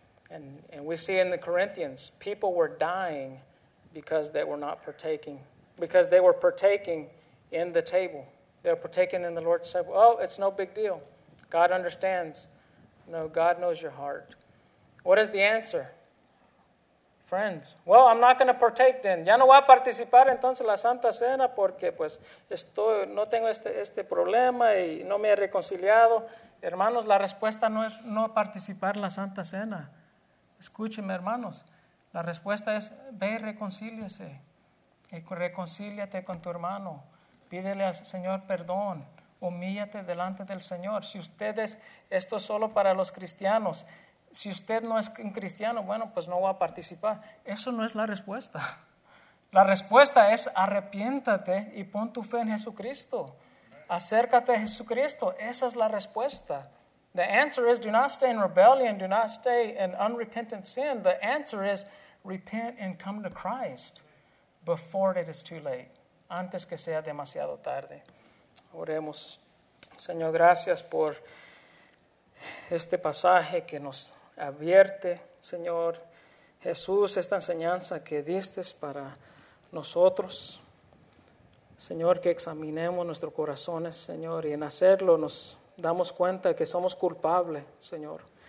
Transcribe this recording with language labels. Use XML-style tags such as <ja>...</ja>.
<en>And we see in the Corinthians, people were dying because they were not partaking. Because they were partaking in the table. They were partaking in the Lord's table. Oh, it's no big deal. God understands. No, God knows your heart. What is the answer? Friends, well, I'm not going to partake then.</en> <es>Ya no voy a participar entonces la Santa Cena porque pues estoy, no tengo este problema y no me he reconciliado. Hermanos, la respuesta no es no participar la Santa Cena. Escúcheme, hermanos. La respuesta es ve y reconcíliese. Y reconcíliate con tu hermano. Pídele al Señor perdón. Humíllate delante del Señor. Si ustedes, esto es solo para los cristianos. Si usted no es un cristiano, bueno, pues no va a participar. Eso no es la respuesta. La respuesta es arrepiéntate y pon tu fe en Jesucristo. Acércate a Jesucristo. Esa es la respuesta.</es> <en>The answer is do not stay in rebellion. Do not stay in unrepentant sin. The answer is repent and come to Christ before it is too late.</en> <es>Antes que sea demasiado tarde. Oremos. Señor, gracias por este pasaje que nos advierte, Señor Jesús, esta enseñanza que diste para nosotros. Señor, que examinemos nuestros corazones, Señor, y en hacerlo nos damos cuenta que somos culpables, Señor.</es>